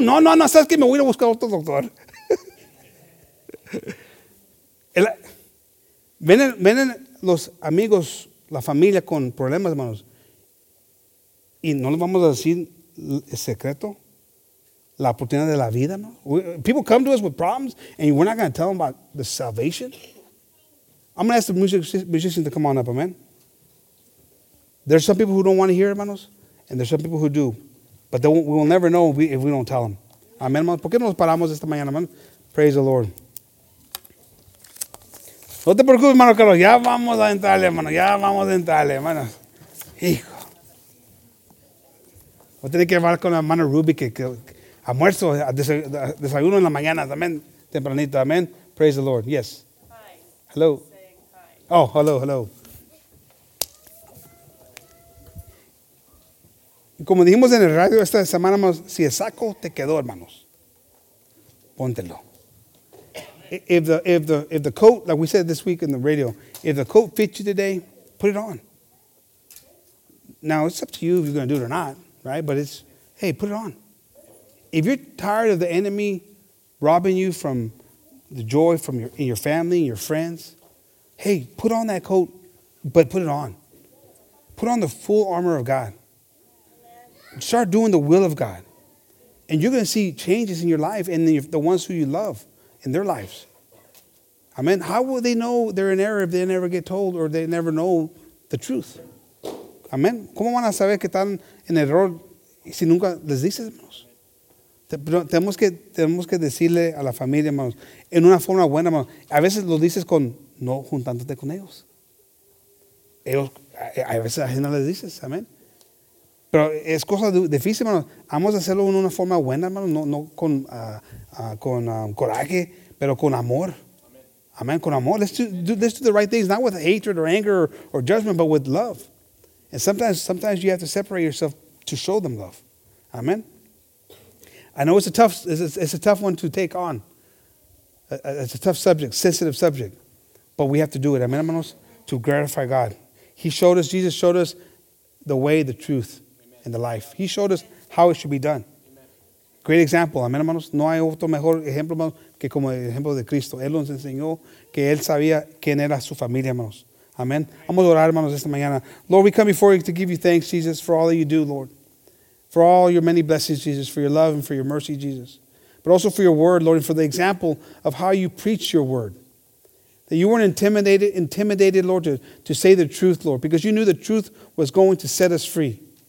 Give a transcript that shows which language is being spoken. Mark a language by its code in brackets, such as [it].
[es] No, sabes que me voy a buscar otro doctor. Vienen los amigos, la familia con problemas, hermanos. Y no les vamos a decir el secreto, la oportunidad de la vida, ¿no? [en] People come to us with problems and we're not going to tell them about the salvation. I'm going to ask the musician to come on up, amen. There's some people who don't want to hear, hermanos, and there's some people who do. But we will never know if we don't tell them. [es] Amen, hermanos. ¿Por qué no nos paramos esta mañana, hermanos? [en] Praise the Lord. [es] No te preocupes, hermano Carlos. Ya vamos a entrarle, hermano. Ya vamos a entrarle, hermanos. Hijo. Voy a tener que hablar con la hermana Ruby que almuerzo, desayuno en la mañana, amén. [en] Tempranito, amén. Praise the Lord. Yes. Hi. Hello. Hi. Oh, hello, hello. [es] Como dijimos en el radio esta semana, si el saco te quedó, hermanos, póntelo. [en] If the coat, like we said this week in the radio, if the coat fits you today, put it on. Now, it's up to you if you're going to do it or not, right? But it's, hey, put it on. If you're tired of the enemy robbing you from the joy from your family and your friends, hey, put on that coat, but put it on. Put on the full armor of God. Start doing the will of God. And you're going to see changes in your life and the ones who you love in their lives. Amen. How will they know they're in error if they never get told or they never know the truth? Amen. [es] ¿Cómo van a saber que están en error si nunca les dices, hermanos? Tenemos que decirle a la familia, hermanos, en una forma buena, hermanos. A veces lo dices con no juntándote con ellos. Ellos, a veces a gente no les dices, amén. Pero es cosa difícil, hermanos. Vamos a hacerlo en una forma buena, hermanos, no con coraje, pero con amor. Amén, con amor. [en] Let's do the right things, not with hatred or anger or judgment, but with love. And sometimes you have to separate yourself to show them love. Amen. I know it's a tough one to take on. It's a tough subject, sensitive subject. But we have to do it, amen, hermanos, to gratify God. Jesus showed us the way, the truth, amen, and the life. He showed us how it should be done. Amen. Great example, amen, hermanos. [es] No hay otro mejor ejemplo, hermanos, que como el ejemplo de Cristo. Él nos enseñó que Él sabía quién era su familia, hermanos. Amen. Vamos a orar, hermanos, esta mañana. [en] Lord, we come before you to give you thanks, Jesus, for all that you do, Lord. For all your many blessings, Jesus, for your love and for your mercy, Jesus. But also for your word, Lord, and for the example of how you preach your word. That you weren't intimidated, Lord, to say the truth, Lord, because you knew the truth was going to set us free.